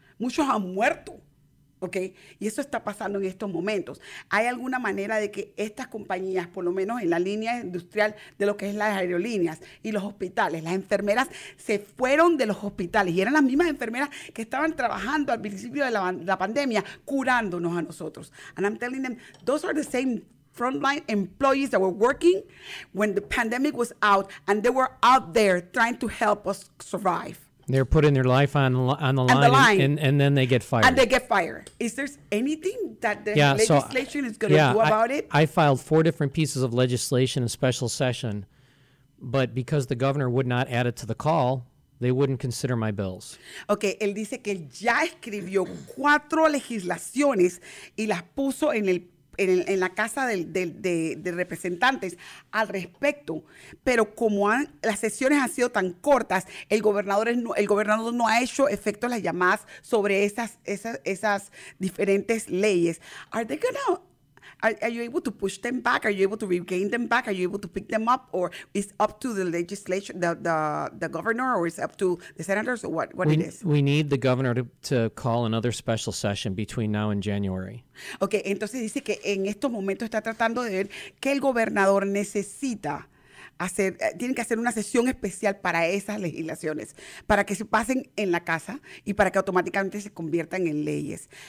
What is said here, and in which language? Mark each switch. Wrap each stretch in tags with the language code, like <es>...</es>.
<es>Muchos han muerto, ¿ok? Y eso está pasando en estos momentos. ¿Hay alguna manera de que estas compañías, por lo menos en la línea industrial de lo que es las aerolíneas y los hospitales, las enfermeras se fueron de los hospitales y eran las mismas enfermeras que estaban trabajando al principio de la pandemia curándonos a nosotros?</es> <en>And I'm telling them, those are the same frontline employees that were working when the pandemic was out and they were out there trying to help us survive. They're putting their life on the line. And then they get fired. And they get fired. Is there anything that the legislation is going to do about it? I filed four different pieces of legislation in special session, but because the governor would not add it to the call, they wouldn't consider my bills.</en> <es>Okay, él dice que ya escribió cuatro legislaciones y las puso en la casa de representantes al respecto. Pero como las sesiones han sido tan cortas, el gobernador no ha hecho efecto las llamadas sobre esas diferentes leyes.</es> <en>Are they gonna? Are you able to push them back? Are you able to regain them back? Are you able to pick them up? Or is up to the legislature, the governor, or is up to the senators, or what it is? We need the governor to call another special session between now and January.</en> <es>Okay, entonces dice que en estos momentos está tratando de ver que el gobernador necesita hacer, tiene que hacer una sesión especial para esas legislaciones, para que se pasen en la casa y para que automáticamente se conviertan en leyes.</es>